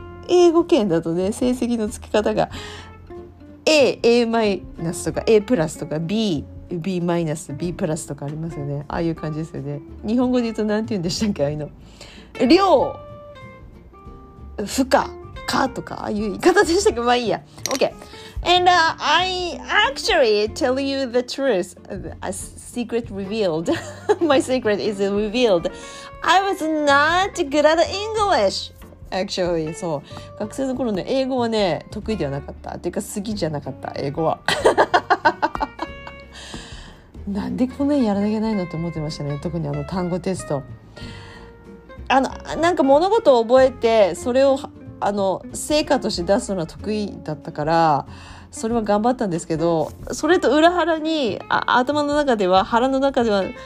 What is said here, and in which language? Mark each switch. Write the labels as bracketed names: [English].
[Japanese] 英語圏だとね、成績のつき方が A、A マイナスとか A プラスとか B、B マイナス、B プラスとかありますよね。ああいう感じですよね。日本語で言うと何て言うんでしたっけ、ああいうの。量、負荷、かとか、ああいう言い方でしたっけ、まあいいや。 [English] OK。 And、I actually tell you the truth, a secret revealed. My secret is revealed. I was not good at English. Actually, [Japanese] そう、学生の頃ね、英語はね得意ではなかった、てか好きじゃなかった英語は。なんでこんなにやらなきゃないのと思ってましたね。特に単語テスト、なんか物事を覚えてそれを成果として出すのは得意だったから、それは頑張ったんですけど、それと裏腹に頭の中では腹の中では